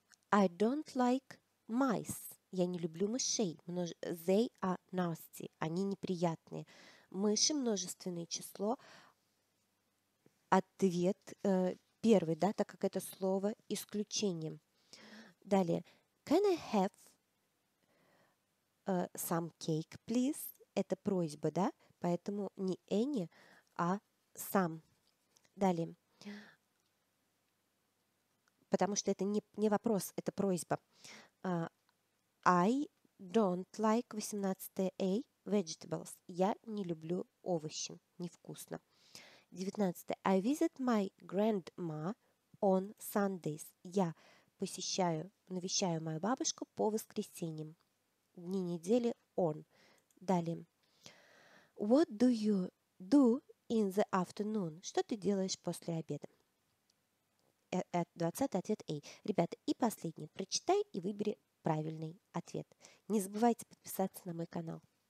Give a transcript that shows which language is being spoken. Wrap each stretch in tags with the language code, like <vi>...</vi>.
<en>I don't like mice.</en> <ru>Я не люблю мышей.</ru> <en>They are nasty.</en> <ru>Они неприятные. Мыши, множественное число. Ответ первый, да, так как это слово исключение. Далее.</ru> <en>Can I have some cake, please?</en> <ru>Это просьба, да? Поэтому не any, а some. Далее. Потому что это не вопрос, это просьба.</ru> <en>I don't like, 18 A, vegetables.</en> <ru>Я не люблю овощи, невкусно. 19.</ru> <en>I visit my grandma on Sundays.</en> <ru>Я посещаю, навещаю мою бабушку по воскресеньям. Дни недели on. Далее.</ru> <en>What do you do in the afternoon?</en> <ru>Что ты делаешь после обеда? 20 ответ A. Ребята, и последний. Прочитай и выбери правильный ответ. Не забывайте подписаться на мой канал.</ru>